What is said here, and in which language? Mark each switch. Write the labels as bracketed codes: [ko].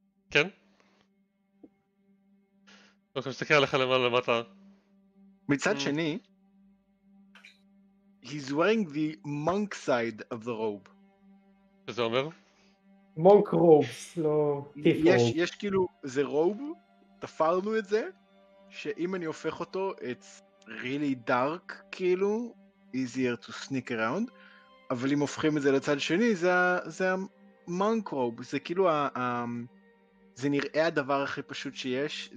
[he] כן? אוקיי, מסתכל עליך למעלה, למטה. מצד שני, [en] he's wearing the monk side of the robe. [he] זה אומר? [en] monk robes, [he] לא... יש כאילו, זה רוב, תפרנו את זה, שאם אני הופך אותו, [en] it's really dark, [he] כאילו, [en] easier to sneak around, [he] אבל אם הופכים את זה לצד שני, זה monk robe, זה כאילו זה נראה הדבר הכי פשוט שיש.